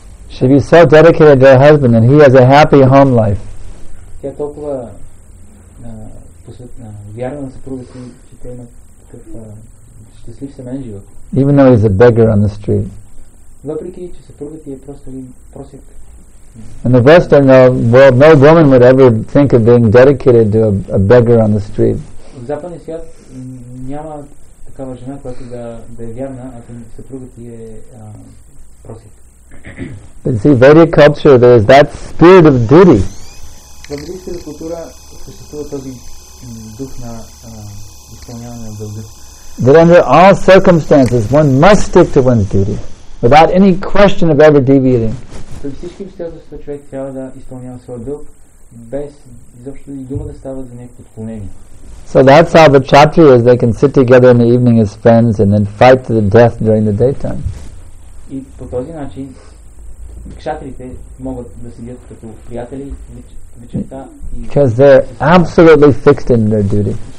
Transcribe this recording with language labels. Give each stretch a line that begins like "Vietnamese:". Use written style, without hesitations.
English: She be so dedicated to her husband and he has a happy home life.
Bulgarian: Тя е толкова посветена, вярна на съпруга си, че те имат такъв щастлив семейен живот.
English: Even though he's a beggar on the street.
Bulgarian: Въпреки че съпругът е просто един просяк.
English: In the Western world, no woman would ever think of being dedicated to a beggar on the street.
Bulgarian: В западния свят няма такава жена, която да е вярна, ако съпругът е просяк.
English: But see, Vedic culture, there is that spirit of duty.
Bulgarian: В ведическата култура съществува този дух на изпълняване на дълга.
English: That under all circumstances one must stick to one's duty without any question of ever deviating.
Bulgarian: При всички обстоятелства човек трябва да изпълнява своя дълг без изобщо и дума да става за някакво отклонение.
English: So that's how the Kshatriyas, they can sit together in the evening as friends and then fight to the death during the daytime.
Bulgarian: И по този начин кшатрите могат да седят като приятели вечерта.
English: Because they're absolutely fixed in their duty.